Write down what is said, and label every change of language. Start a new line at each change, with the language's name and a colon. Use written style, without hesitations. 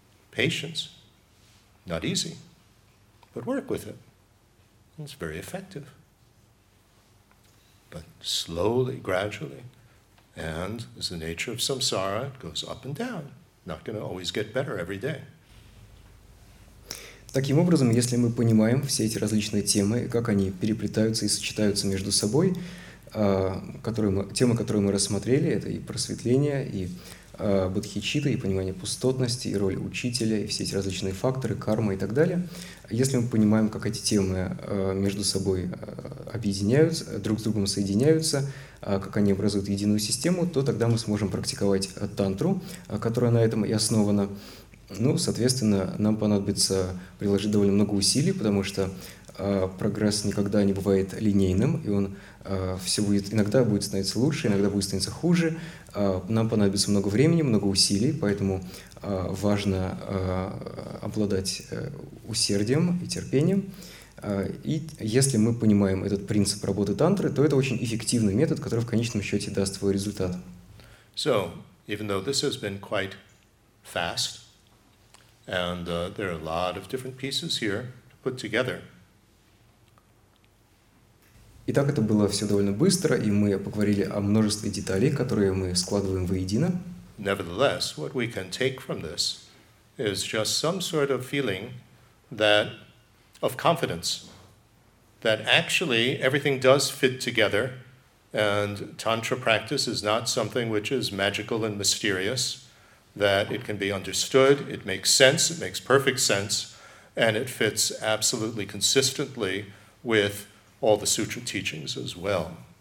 English: Patience, not easy, but work with it. It's very effective. But slowly, gradually, and as the nature of samsara, it goes up and down. Not going to always get better every day.
Russian: Таким образом, если мы понимаем все эти различные темы, как они переплетаются и сочетаются между собой, темы, которые мы рассмотрели, это и просветление, и бодхичитта, и понимание пустотности, и роль учителя, и все эти различные факторы, карма и так далее. Если мы понимаем, как эти темы между собой объединяются, друг с другом соединяются, как они образуют единую систему, то тогда мы сможем практиковать тантру, которая на этом и основана. Ну, соответственно, нам понадобится приложить довольно много усилий, потому что прогресс никогда не бывает линейным, и он все будет, иногда будет становиться лучше, иногда будет становиться хуже. Нам понадобится много времени, много усилий, поэтому важно обладать усердием и терпением. И если мы понимаем этот принцип работы тантры, то это очень эффективный метод, который в конечном счете даст свой результат.
English: So, even though this has been quite fast, and there are a lot of different pieces here to put together.
Russian: Итак, это было все довольно быстро, и мы поговорили о множестве деталей, которые мы складываем воедино.
English: Nevertheless, what we can take from this is just some sort of feeling that of confidence that actually everything does fit together, and Tantra practice is not something which is magical and mysterious, that it can be understood, it makes sense, it makes perfect sense, and it fits absolutely consistently with all the sutra teachings as well.